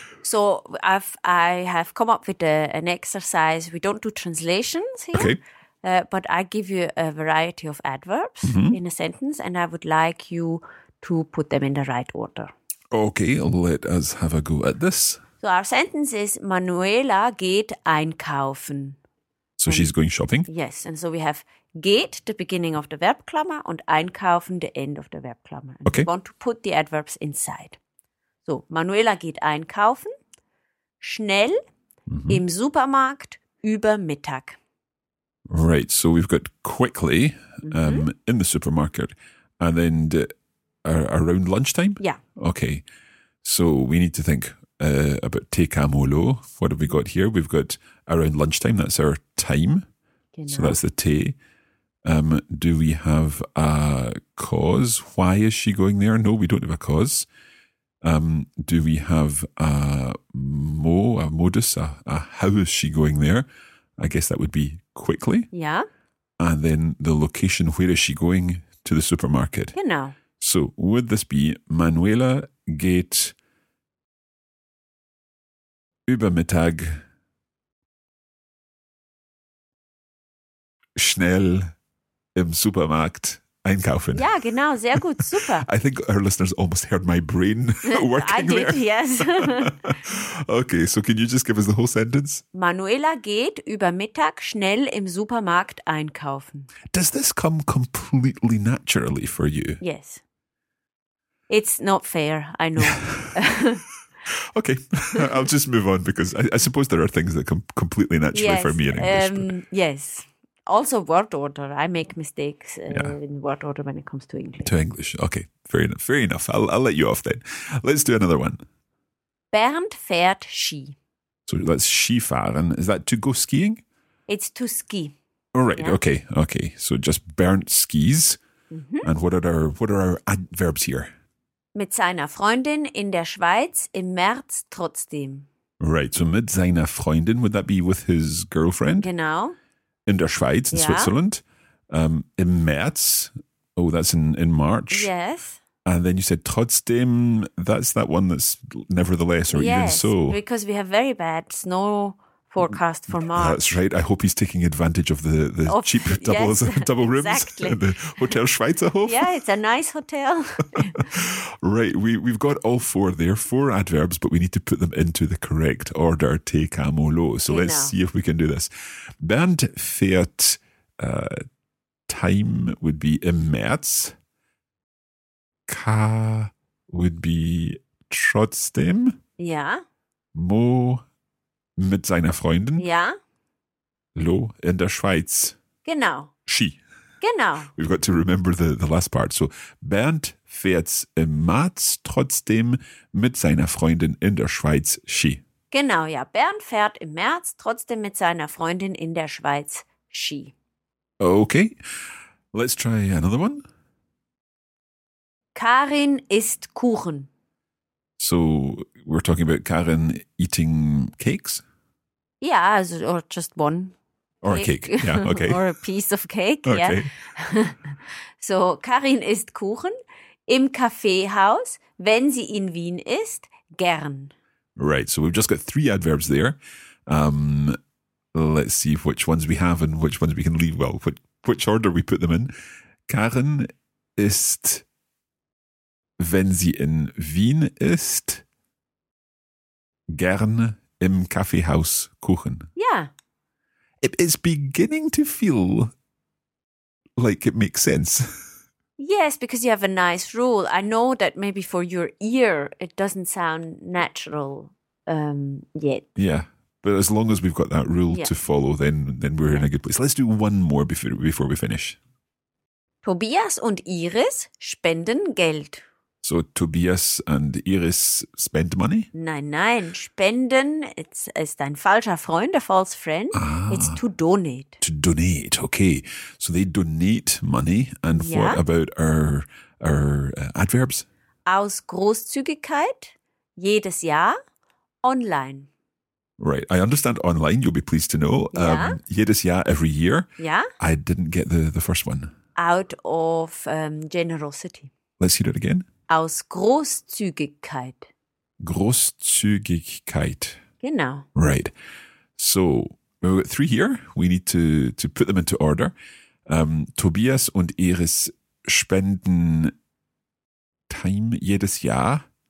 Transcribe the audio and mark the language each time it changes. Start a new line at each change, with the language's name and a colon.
English: So I have come up with an exercise. We don't do translations here. Okay. But I give you a variety of adverbs in a sentence, and I would like you to put them in the right order. Okay, let us have a go at this. So our sentence is, Manuela
German: geht einkaufen.
English: So she's going shopping? Yes, and so we have geht, the beginning of the Verbklammer,
German: und einkaufen,
English: the end of the Verbklammer. And okay. We want to put the adverbs inside.
German: So, Manuela geht einkaufen, schnell, im Supermarkt, über Mittag.
English: Right, so we've got quickly in the supermarket and then around lunchtime? Yeah. Okay, so we need to think about te kamo lo. What have we got here? We've got around lunchtime, that's our time.
German: Genau.
English: So that's the te. Do we have a cause? Why is she going there? No, we don't have a cause. Do we have a modus, how is she going there? I guess that would be quickly. Yeah. And then the location, where is she going to the supermarket? You know. So would this be
German: Manuela geht übermittag schnell im Supermarkt einkaufen? Yeah, genau. Sehr gut. Super.
English: I think our listeners almost heard my brain working. I did, there. Yes. Okay, so can you just give us the whole sentence?
German: Manuela geht über Mittag schnell im Supermarkt einkaufen.
English: Does this come completely naturally for you? Yes. It's not fair, I know. Okay, I'll just move on because I suppose there are things that come completely naturally for me in English. Yes. Also word order. I make mistakes in word order when it comes to English. To English. Okay, fair enough. Fair enough. I'll let you off then. Let's do another one.
German: Bernd fährt Ski.
English: So that's
German: Ski fahren.
English: Is that to go skiing? It's to ski. All right. Yeah. Okay. So just Bernd skis. Mm-hmm. And what are our adverbs here?
German: Mit seiner Freundin in der Schweiz im März trotzdem.
English: Right. So
German: mit seiner Freundin,
English: would that be with his girlfriend?
German: Genau. In der Schweiz,
English: in Switzerland,
German: im März.
English: Oh, that's in March. Yes. And then you said trotzdem, that's that one that's nevertheless or yes, even so. Because we have very bad snow forecast for March. That's right. I hope he's taking advantage of the cheap double rooms. Exactly. The Hotel Schweizerhof. Yeah, it's a nice hotel. Right. We've got all four there, four adverbs, but we need to put them into the correct order. Te camo lo. So let's see if we can do this.
German: Bernd fährt,
English: time would be
German: im März.
English: Ka would be trotzdem. Yeah.
German: Mo mit seiner Freundin. Ja. Lo in der Schweiz. Genau.
English: She.
German: Genau.
English: We've got to remember the last part.
German: So Bernd fährt im März trotzdem mit seiner Freundin in der Schweiz.
English: She.
German: Genau, ja. Bernd fährt im März trotzdem mit seiner Freundin in der Schweiz.
English: She. Okay. Let's try another one.
German: Karin isst Kuchen.
English: So we're talking about Karin eating cakes? Yeah, or just one. Or cake. A cake, yeah, okay. Or a piece of cake, okay. Yeah.
German: So Karin isst Kuchen im Kaffeehaus, wenn sie in Wien ist, gern.
English: Right, so we've just got three adverbs there. Let's see which ones we have and which ones we can leave. Well, which order we put them in.
German: Karin isst, wenn sie in Wien ist, gern im Kaffeehaus Kuchen.
English: Yeah. It is beginning to feel like it makes sense. Yes, because you have a nice rule. I know that maybe for your ear, it doesn't sound natural yet. Yeah. But as long as we've got that rule to follow, then we're in a good place. Let's do one more before we finish.
German: Tobias und Iris spenden Geld.
English: So Tobias and Iris spend money?
German: Nein. Spenden, ist ein falscher Freund,
English: a false friend. Ah, it's to donate. To donate, okay. So they donate money. And what about our adverbs?
German: Aus Großzügigkeit, jedes Jahr, online.
English: Right. I understand online, you'll be pleased to know.
German: Ja. Jedes Jahr,
English: every year.
German: Ja.
English: I didn't get the first one. Out of generosity. Let's hear it again.
German: Aus Großzügigkeit. Großzügigkeit. Genau.
English: Right. So, we've got three here. We need to put them into order.
German: Tobias und Iris spenden
English: time
German: jedes Jahr.